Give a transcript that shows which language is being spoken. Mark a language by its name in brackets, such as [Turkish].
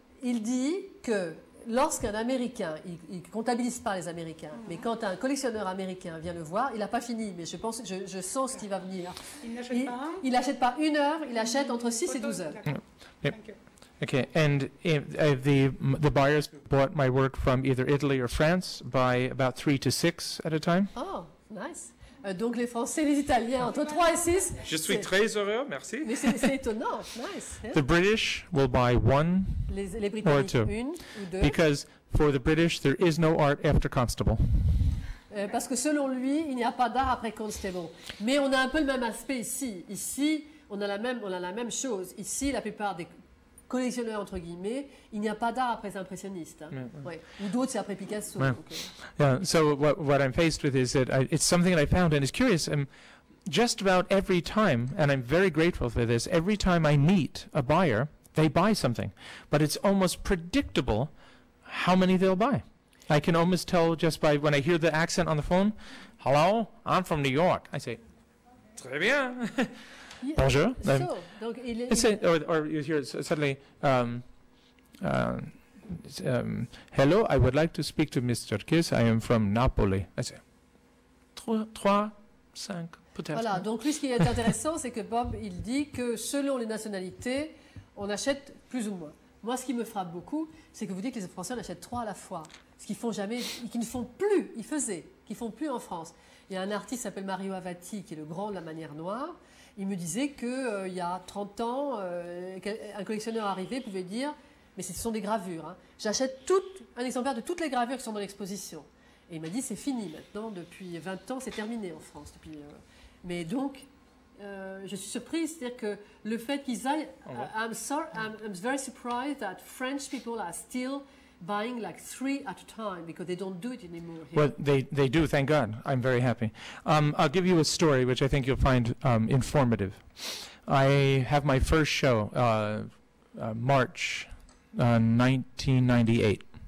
[French] Il dit que lorsqu'un Américain, il comptabilise pas les Américains, mm-hmm. mais quand un collectionneur américain vient le voir, il a pas fini, mais je sens ce qui va venir. Il n'achète pas une heure. Il achète entre 6 et 12 heures. [English] Yep. Okay, and if the buyers bought my work from either Italy or France by about 3 to 6 at a time. Oh, nice. [French] Donc les Français, les Italiens, entre 3 et 6. Je suis très heureux, merci. Mais c'est étonnant, [English] nice. Yeah. The British will buy one [French] les Britanniques, [English] or two. [French] Une ou deux. [English] Because for the British, there is no art after Constable. [French] Parce que selon lui, il n'y a pas d'art après Constable. Mais on a un peu le même aspect ici. Ici, on a la même chose. Ici, la plupart des collectionneurs, entre guillemets, il n'y a pas d'art après impressionniste. Hein. Mm-hmm. Ouais. Ou d'autres, c'est après Picasso. [English] Mm-hmm. Okay. Yeah. So what I'm faced with is that it's something that I found, and it's curious. And just about every time, and I'm very grateful for this, every time I meet a buyer, they buy something. But it's almost predictable how many they'll buy. I can almost tell just by when I hear the accent on the phone, hello, I'm from New York. I say, [French] très bien. [English] Yeah. [French] Bonjour. [English] So, donc or you hear suddenly, hello, I would like to speak to Mr. Kiss. I am from Napoli. I say, [French] trois, cinq, peut-être. Voilà, donc lui, ce qui est intéressant, c'est que Bob, il dit que selon les nationalités, on achète plus ou moins. Moi, ce qui me frappe beaucoup, c'est que vous dites que les Français en achètent 3 à la fois. Ce qu'ils font jamais, qu'ils ne font plus, ils faisaient, qu'ils font plus en France. Il y a un artiste qui s'appelle Mario Avati, qui est le grand de la manière noire. Il me disait qu'il y a 30 ans, un collectionneur arrivé pouvait dire, mais ce sont des gravures. Hein. J'achète un exemplaire de toutes les gravures qui sont dans l'exposition. Et il m'a dit, c'est fini maintenant, depuis 20 ans, c'est terminé en France. Mais donc, je suis surprise, c'est-à-dire que le fait qu'ils aillent... [English] Okay. I'm very surprised that French people are still buying like 3 at a time because they don't do it anymore here. Well, they do, thank God. I'm very happy. I'll give you a story which I think you'll find informative. I have my first show March 1998.